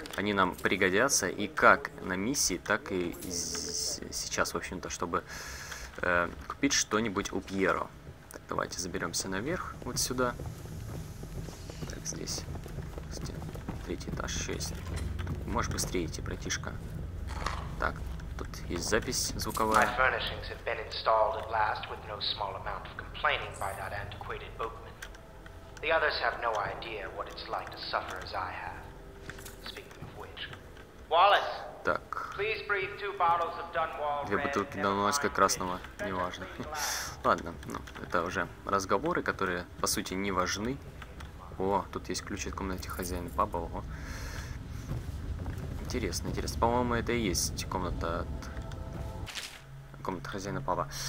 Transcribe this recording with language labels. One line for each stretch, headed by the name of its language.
Russian: Они нам пригодятся и как на миссии, так и сейчас, в общем-то, чтобы купить что-нибудь у Пьеро. Так, давайте заберемся наверх, вот сюда. Здесь. Третий этаж, 6. Можешь быстрее идти, братишка. Так, тут есть запись звуковая.
English: My furnishings have been installed at last with no small amount of complaining by that antiquated boatman. The others have no idea what it's like to suffer as I have. Speaking of which. Wallace!
Russian: Так.
English: Please breathe two bottles of Dunwall.
Russian: Две бутылки Дунвальского красного, неважно. Ладно, ну, это уже разговоры, которые, по сути, не важны. О, тут есть ключ от комнаты хозяина паба, ого. Интересно, интересно. По-моему, это и есть комната от... Комната хозяина паба.